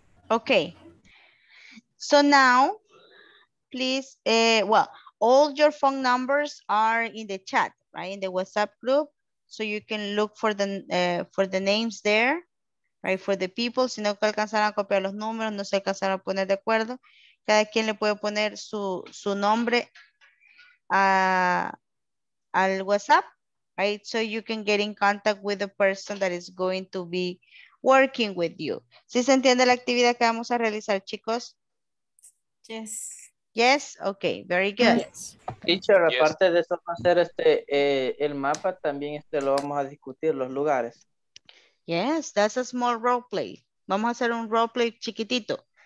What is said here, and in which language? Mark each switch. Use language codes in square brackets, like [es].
[en] Okay. So now, please, all your phone numbers are in the chat, right? In the WhatsApp group. So you can look for the names there, right? For the people. [es] Si no alcanzaron a copiar los números, no se alcanzaron a poner de acuerdo. Cada quien le puede poner su nombre al WhatsApp. [en] Right, so you can get in contact with the person that is going to be working with you. [es] ¿Sí se entiende la actividad que vamos a realizar, chicos? [en] Yes. Yes, okay, very good. [es] Teacher, aparte de eso, va a ser el mapa, también lo vamos a discutir, los lugares. [en] Yes, that's a small role play. [es] Vamos a hacer un role play chiquitito.